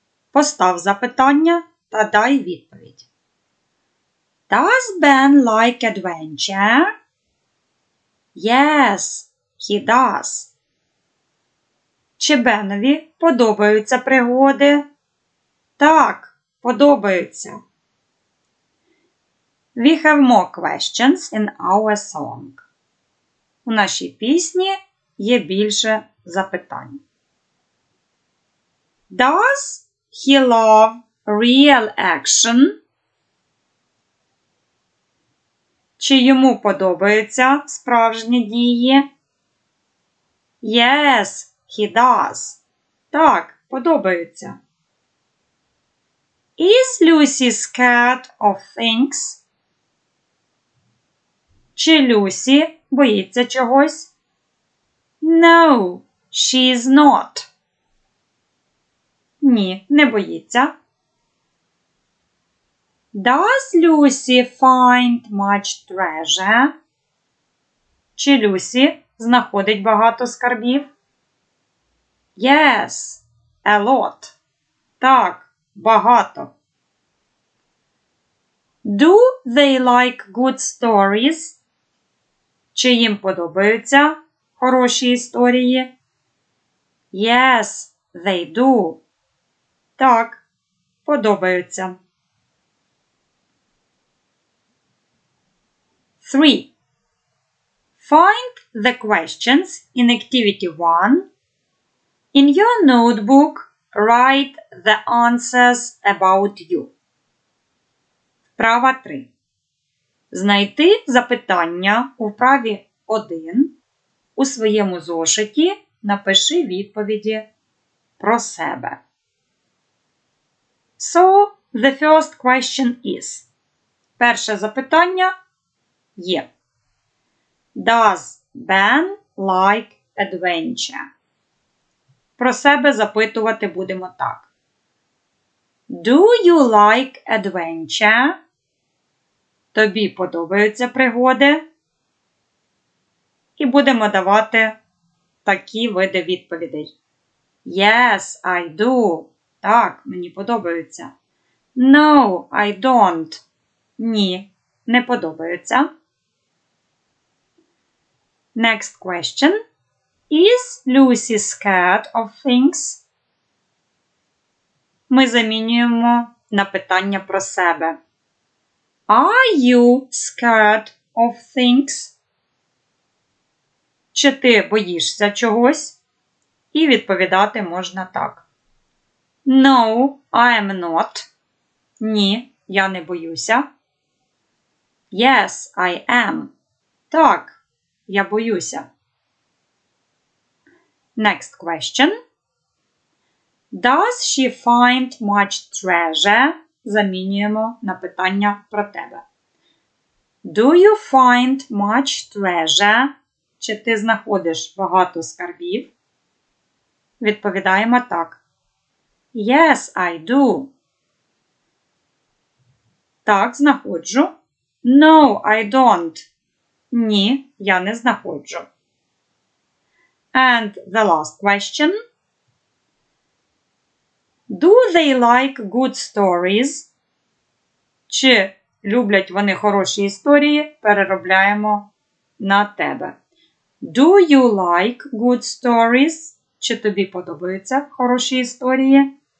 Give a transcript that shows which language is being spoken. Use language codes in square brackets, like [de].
[uk] Постав запитання та дай відповідь. [en] Does Ben like adventure? Yes, he does. [uk] Чи Бенові подобаються пригоди? Так, подобаються. [en] We have more questions in our song. [uk] У нашій пісні є більше запитань. [en] Does he love real action? [uk] Чи йому подобаються справжні дії? [en] Yes, he does. [uk] Так, подобаються. [en] Is Lucy scared of things? [uk] Чи Люсі боїться чогось? [en] No, she's not. [uk] Ні, не боїться. [en] Does Lucy find much treasure? [uk] Чи Люсі знаходить багато скарбів? [en] Yes, a lot. [uk] Так, багато. [en] Do they like good stories? [uk] Чи їм подобаються хороші історії? [en] Yes, they do. [uk] Так, подобаються. 3. [en] Find the questions in activity 1. In your notebook, write the answers about you. [uk] Вправа 3. Знайти запитання у вправі 1. У своєму зошиті напиши відповіді про себе. [en] So, the first question is. [uk] Перше запитання є. [en] Does Ben like adventure? [uk] Про себе запитувати будемо так. [en] Do you like adventure? [uk] Тобі подобаються пригоди? І будемо давати такі види відповідей. [en] Yes, I do. [uk] Так, мені подобаються. [en] No, I don't. [uk] Ні, не подобаються. [en] Next question. Is Lucy scared of things? [uk] Ми замінюємо на питання про себе. [en] Are you scared of things? [uk] Чи ти боїшся чогось? І відповідати можна так. [en] No, I am not. [uk] Ні, я не боюся. [en] Yes, I am. [uk] Так, я боюся. [en] Next question. Does she find much treasure? [uk] Замінюємо на питання про тебе. [en] Do you find much treasure? [uk] Чи ти знаходиш багато скарбів? Відповідаємо так. [en] Yes, I do. [uk] Так, знаходжу. [en] No, I don't. [uk] Ні, я не знаходжу. [en] And the last question. Do they like good stories? [uk] Чи люблять вони хороші історії? Переробляємо на тебе. [en] Do you like good stories? [uk] Чи тобі подобаються хороші історії?